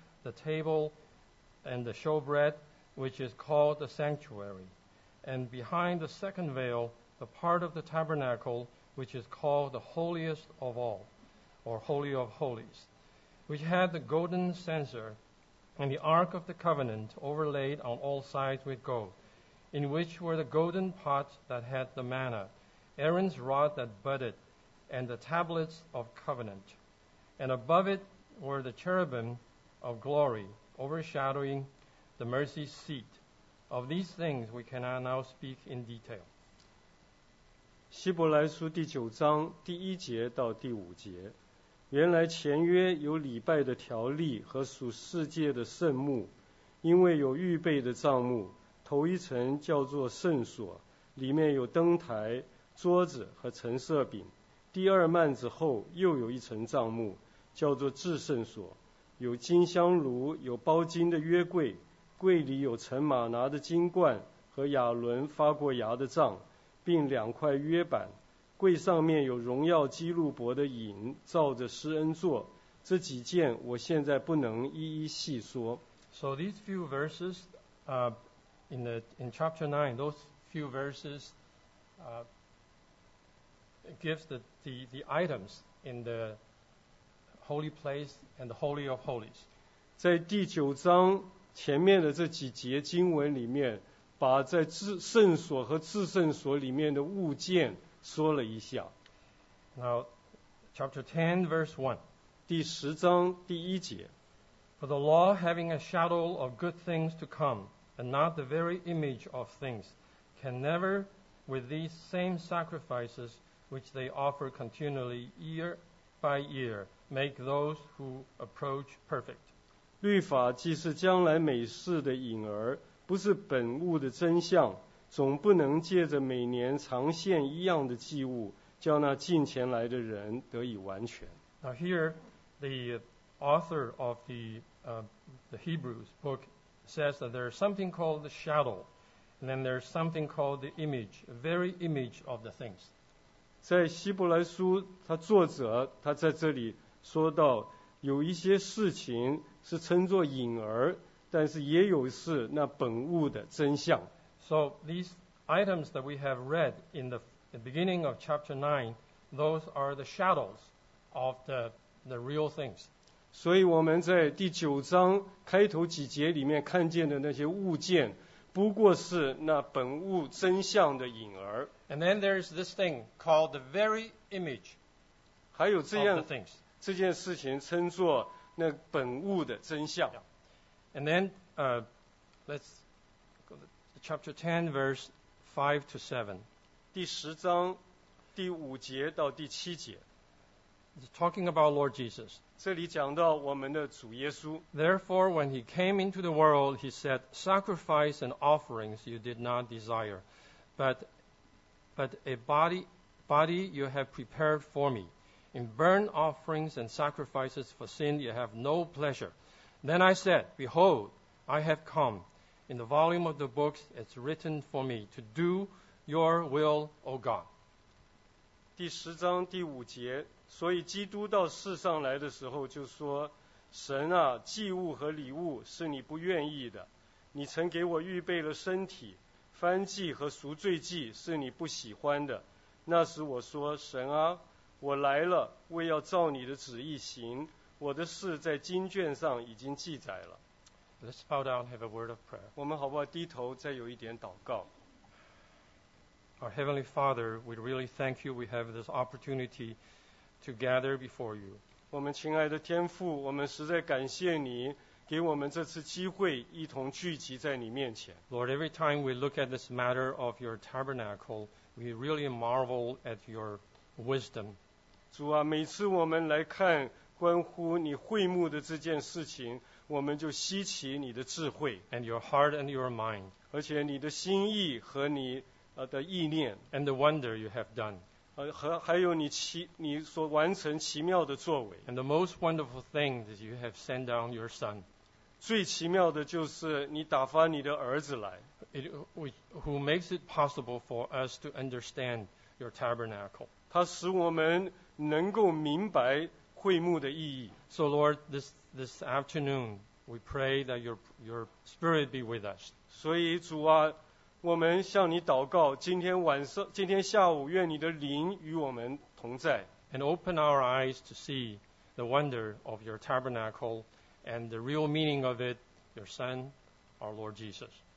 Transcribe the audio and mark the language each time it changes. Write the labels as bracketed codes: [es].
[en] The table and the showbread, which is called the sanctuary, and behind the second veil, the part of the tabernacle, which is called the holiest of all, or holy of holies, which had the golden censer and the ark of the covenant overlaid on all sides with gold, in which were the golden pots that had the manna, Aaron's rod that budded, and the tablets of covenant. And above it were the cherubim. Of glory, overshadowing the mercy seat. Of these things we cannot now speak in detail. [zh] 希伯来书第九章第一节到第五节，原来前约有礼拜的条例和属世界的圣幕，因为有预备的帐幕，头一层叫做圣所，里面有灯台、桌子和陈设饼。第二幔子后又有一层帐幕，叫做至圣所。有金香炉，有包金的约柜，柜里有陈马拿的金冠和亚伦发过芽的杖，并两块约板。柜上面有荣耀基路伯的影，照着施恩座。这几件我现在不能一一细说。 [en] So these few verses, in chapter 9, those few verses, gives the items in the. Holy place and the Holy of Holies. [zh] 在第九章前面的这几节经文里面，把在圣所和至圣所里面的物件说了一下。 [en] Now, chapter 10, verse 1. [zh] 第十章第一节。 [en] For the law having a shadow of good things to come, and not the very image of things, can never with these same sacrifices which they offer continually year by year,Make those who approach perfect. [zh] 律法既是将来美事的影儿，不是本物的真相，总不能借着每年常献一样的祭物，叫那近前来的人得以完全。 [en] Now here, the author of the Hebrews book says that there is something called the shadow, and then there is something called the image, a very image of the things. [zh] 在希伯来书，他作者他在这里。说到有一些事情是称作影儿，但是也有是那本物的真相。 [en] So these items that we have read in the beginning of chapter 9, those are the shadows of the real things. [zh] 所以我们在第九章开头几节里面看见的那些物件，不过是那本物真相的影儿。 [en] And then there is this thing called the very image of the things. [zh] 还有这样。这件事情称作那本物的真相。 [en] Yeah. And then, let's go to chapter 10, verse 5 to 7. [zh] 第十章第五节到第七节。 [en] It's talking about Lord Jesus. [zh] 这里讲到我们的主耶稣。 [en] Therefore, when he came into the world, he said, Sacrifice and offerings you did not desire, but a body you have prepared for me. In burnt offerings and sacrifices for sin, you have no pleasure. Then I said, Behold, I have come. In the volume of the books, it's written for me to do your will, O God. [zh] 第十章第五节，所以基督到世上来的时候就说，神啊，祭物和礼物是你不愿意的，你曾给我预备了身体，燔祭和赎罪祭是你不喜欢的。那时我说，神啊，我来了，为要照你的旨意行，我的事在经卷上已经记载了。 [en] Let's bow down, have a word of prayer. [zh] 我们好不好低头再有一点祷告。 [en] Our Heavenly Father, we really thank you we have this opportunity to gather before you. [zh] 我们亲爱的天父，我们实在感谢你给我们这次机会一同聚集在你面前。 [en] Lord, every time we look at this matter of your tabernacle, we really marvel at your wisdom. [zh] 主啊，每次我们来看关乎你会幕的这件事情，我们就稀奇你的智慧。 [en] And your heart and your mind. [zh] 而且你的心意和你的意念。 [en] And the wonder you have done. [zh] 还有你所完成奇妙的作为。 [en] And the most wonderful thing is you have sent down your son. [zh] 最奇妙的就是你打发你的儿子来。 [en] Who makes it possible for us to understand your tabernacle. [zh] 他使我们能够明白会幕的意义。 [en] So Lord, this afternoon, we pray that your spirit be with us. [zh] 所以主啊，我们向你祷告，今天晚上，今天下午，愿你的灵与我们同在。 [en] And open our eyes to see the wonder of your tabernacle and the real meaning of it, your Son, our Lord Jesus.